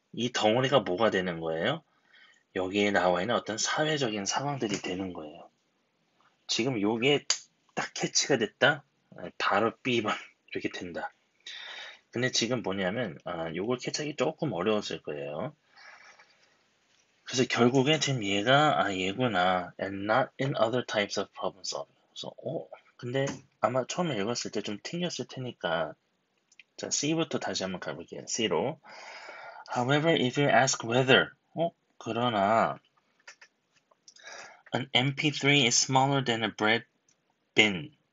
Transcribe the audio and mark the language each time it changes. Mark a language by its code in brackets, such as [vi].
[ko] 이 덩어리가 뭐가 되는 거예요? 여기에 나와 있는 어떤 사회적인 상황들이 되는 거예요. 지금 요게 딱 캐치가 됐다? 바로 B번. 이렇게 된다. 근데 지금 뭐냐면, 요걸 캐치하기 조금 어려웠을 거예요. 그래서 결국엔 지금 얘가, 얘구나. [en] And not in other types of problem solving. [ko] 그래서, 근데 아마 처음에 읽었을 때좀 튕겼을 테니까. 자, C부터 다시 한번 가볼게요. C로. [en] However, if you ask whether, [ko] 그러나, [en] an MP3 is smaller than a bread bin.